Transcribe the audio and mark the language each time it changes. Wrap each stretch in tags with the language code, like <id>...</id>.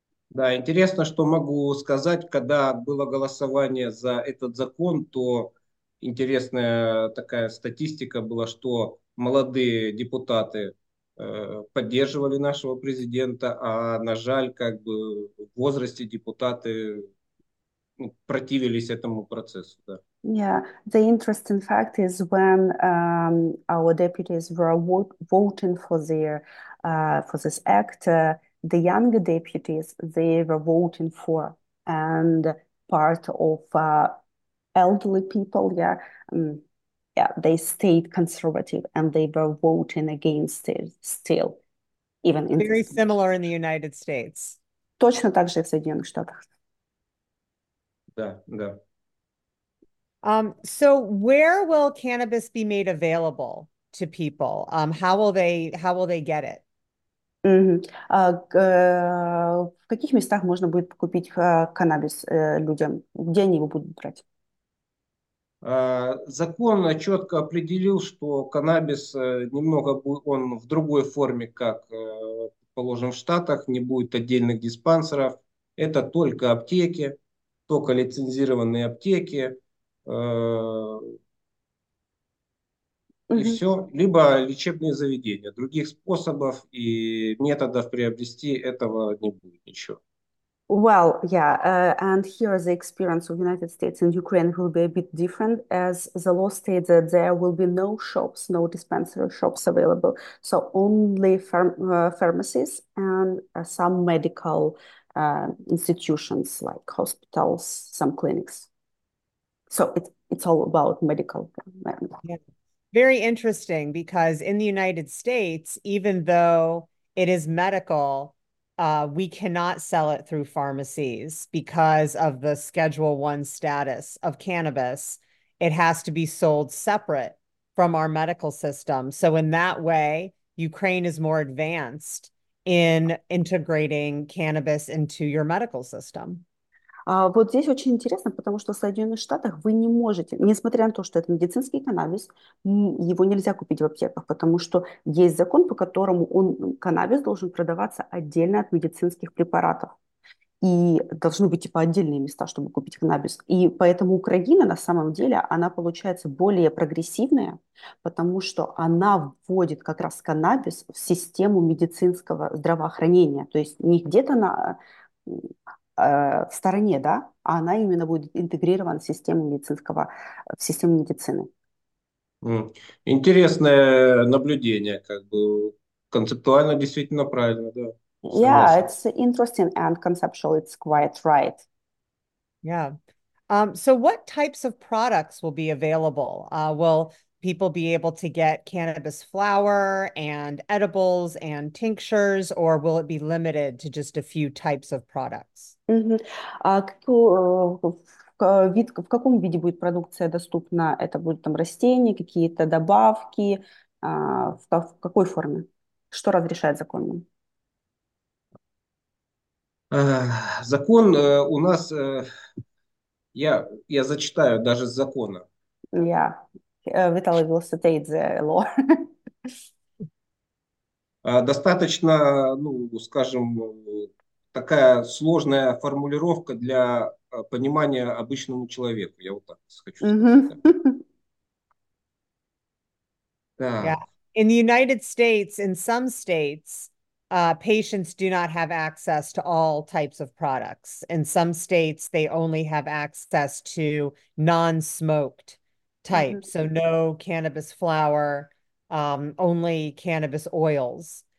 <ru>Да, интересно, что могу сказать, когда было голосование за этот закон, то интересная такая статистика была, что молодые депутаты поддерживали нашего президента, а, на жаль, как бы в возрасте депутаты, ну, противились этому процессу, да.</ru> <en>Yeah, the interesting fact is when our deputies were voting for their for this act, the younger deputies they were voting for, and part of elderly people, they stayed conservative and they were voting against it still, even in Very this. similar in the United States.</en> <ru>Точно так же в Соединенных Штатах. Да.</ru> <en>So where will cannabis be made available to people? How will they get it?</en> <ru>В каких местах можно будет купить каннабис людям? Где они его будут брать? Закон четко определил, что каннабис немного будет, он в другой форме, как, положим, в Штатах, не будет отдельных диспансеров. Это только аптеки, только лицензированные аптеки. И все. Либо лечебные заведения. Других способов и методов приобрести этого не будет ничего.</ru> <en>Well, yeah, and here the experience of United States and Ukraine will be a bit different, as the law states that there will be no shops, no dispensary shops available, so only pharmacies and some medical institutions like hospitals, some clinics. So it's all about medical. Yeah. Very interesting, because in the United States, even though it is medical, we cannot sell it through pharmacies because of the Schedule One status of cannabis. It has to be sold separate from our medical system. So in that way, Ukraine is more advanced in integrating cannabis into your medical system.</en> <ru>Вот здесь очень интересно, потому что в Соединенных Штатах вы не можете, несмотря на то, что это медицинский каннабис, его нельзя купить в аптеках, потому что есть закон, по которому каннабис должен продаваться отдельно от медицинских препаратов. И должны быть типа отдельные места, чтобы купить каннабис. И поэтому Украина на самом деле, она получается более прогрессивная, потому что она вводит как раз каннабис в систему медицинского здравоохранения. То есть не где-то на в стороне, да, а она именно будет интегрирована в систему медицины. Интересное наблюдение, как бы концептуально действительно правильно, да,</ru> <en>Yeah,</en> <ru>согласен.</ru> <en>it's interesting and conceptual. It's quite right. Yeah. So what types of products will be available? Will people be able to get cannabis flower and edibles and tinctures, or will it be limited to just a few types of products?</en> <ru>В каком виде будет продукция доступна? Это будут там растения, какие-то добавки, в какой форме? Что разрешает закон? Закон у нас, я зачитаю даже с закона.</ru> <en>Yeah. Виталий Велосипедзе ло.</en> <ru>Достаточно, ну, скажем, такая сложная формулировка для понимания обычному человеку, я вот так хочу сказать.</ru> <en>Yeah.</en> <ru>Так.</ru> <en>In the United States, in some states, patients do not have access to all types of products. In some states, they only have access to non-smoked types. So no cannabis flower, only cannabis oils.</en>